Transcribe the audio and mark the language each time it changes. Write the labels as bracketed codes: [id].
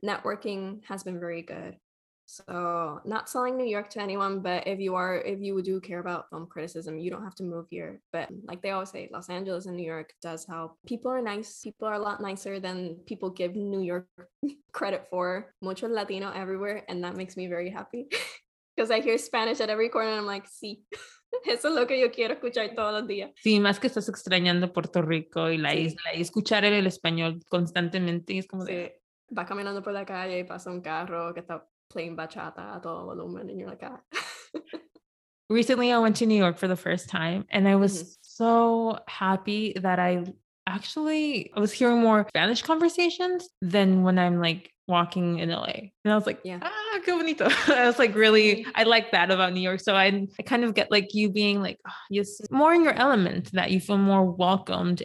[en] Networking has been very good. So not selling New York to anyone, but if you do care about film criticism, you don't have to move here. But like they always say, Los Angeles and New York does help. People are nice. People are a lot nicer than people give New York credit for. [es] Mucho Latino [en] everywhere. And that makes me very happy because I hear Spanish at every corner. And I'm like, sí. [es] Eso es lo que yo quiero escuchar todos los días. Sí, más que estás extrañando Puerto Rico y la isla. Y escuchar el español constantemente es como de... Sí. Va caminando por la calle y pasa un carro que está... [en] playing bachata at all volumen and you're like ah. Recently I went to New York for the first time and I was so happy that I was hearing more Spanish conversations than when I'm like walking in LA. And I was like, yeah, ah, [es] qué bonito. [en] I was like, really, I like that about New York. So I kind of get like you being like, oh, yes, more in your element, that you feel more welcomed.